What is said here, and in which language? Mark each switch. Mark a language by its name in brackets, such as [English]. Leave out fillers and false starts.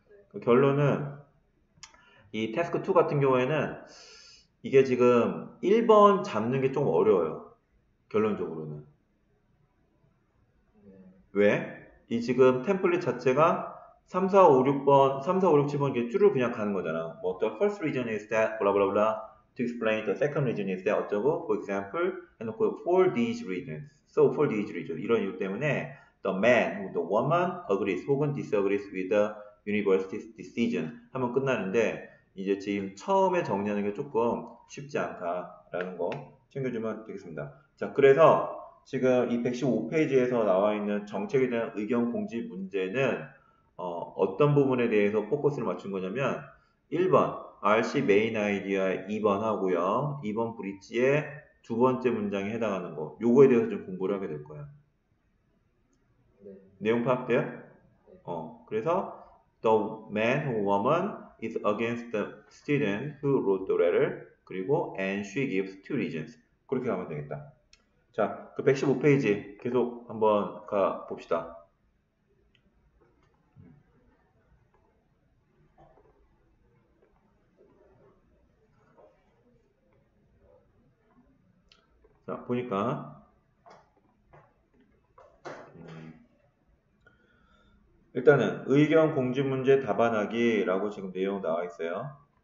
[Korean] 그 결론은 이 task 2 같은 경우에는 이게 지금 1번 잡는 게좀 어려워요. 결론적으로는. 왜? 이 지금 템플릿 자체가 3, 4, 5, 6번, 3, 4, 5, 6, 7번 이렇게 줄을 그냥 가는 거잖아. [English] 뭐, the first reason is that, blah, blah, blah, to explain the second reason is that, [Korean] 어쩌고, [English] for example, 해놓고, for these reasons. So, for these reasons. [Korean] 이런 이유 때문에, [English] the man, the woman agrees, 혹은 disagrees with the university's decision. [Korean] 하면 끝나는데, 이제 지금 처음에 정리하는 게 조금 쉽지 않다라는 거 챙겨주면 되겠습니다. 자, 그래서 지금 이 115페이지에서 나와 있는 정책에 대한 의견 공지 문제는 어떤 부분에 대해서 포커스를 맞춘 거냐면 1번 RC 메인 아이디어 2번 하고요. 2번 브릿지의 두 번째 문장에 해당하는 거. 요거에 대해서 좀 공부를 하게 될 거야. 내용 파악돼요? [English] 그래서 the man or woman is against the student who wrote the letter [Korean] 그리고 [English] and she gives two reasons. [Korean] 그렇게 하면 되겠다. 자, 그 115페이지 계속 한번 가 봅시다. 자, 보니까, 일단은 의견 공지 문제 답안하기라고 지금 내용 나와 있어요.